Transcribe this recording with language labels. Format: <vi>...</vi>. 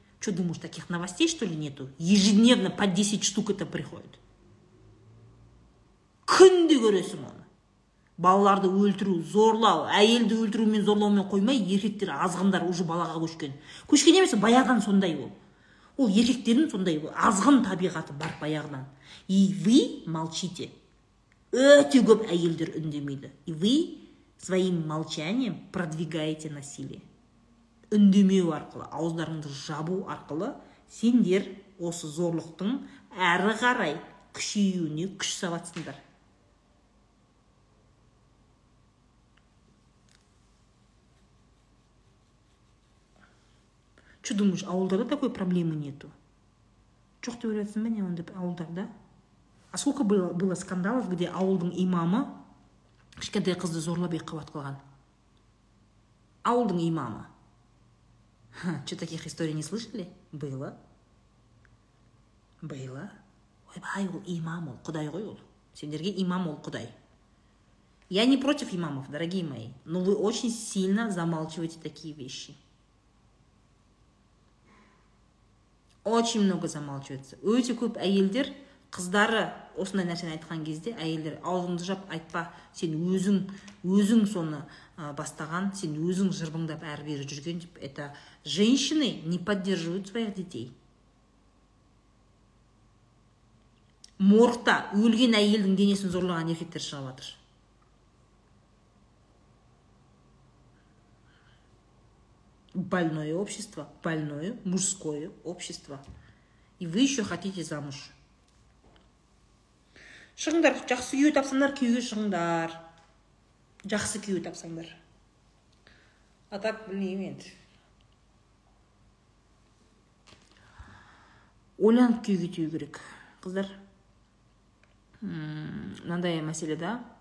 <ru>Чо думаешь, таких новостей, что ли, нету? Ежедневно по 10 штук это приходит.</ru> <kk>Күнде көресің оны. Балаларды өлтіру, зорлау, әйелді өлтірумен, зорлаумен қоймай, еркектер азғындар уже балаға көшкен. Көшкен емес, баяғдан сондай ол. Ол еркектердің сондай азғын табиғаты бар баяғынан.</kk> <ru>И вы молчите.</ru> <kk>Өте көп әйелдер үндемейді.</kk> <ru>И вы своим молчанием продвигаете насилие.</ru> <kk>Үндемеу арқылы, ауыздарыңды жабу арқылы, сендер осы зорлықтың әрі қарай күшеюіне күш саватсыңдар.</kk> <ru>Что думаешь, ауылдарда такой проблемы нету?</ru> <kk>Чоқ деп ойлайсың ба не онда ауылдарда?</kk> <ru>А сколько было скандалов, где</ru> <kk>ауылдың имамы кішкентай қызды зорлап екі қабат қылған? Ауылдың имамы.</kk> <ru>Что таких историй не слышали? Было. Было.</ru> <kk>Ойбай, ол имам, ол құдай ғой ол. Сендерге имам ол құдай.</kk> <ru>Я не против имамов, дорогие мои, но вы очень сильно замалчиваете такие вещи. Очень много замалчивается.</ru> <kk>Өте көп әйелдер, қыздары осындай нәрсені айтқан кезде, әйелдер аузыңды жап айтпа, сен өзің соны бастаған, сен өзің жырбыңдап әрі бері жүрген деп,</kk> <ru>это женщины не поддерживают своих детей.</ru> <kk>Морқта өлген әйелдің денесін зорлаған еркектер шығып жатыр.</kk> <ru>Больное общество, больное мужское общество. И вы еще хотите замуж.</ru> <kk>Шығыңдар, жақсы күйеу тапсаңдар, күйеуге шығыңдар. Жақсы күйеу тапсаңдар.</kk> <ru>А так,</ru> <kk>білмеймін енді. Ойланып күйеуге тию керек, қыздар. Мынандай мәселе да.</kk>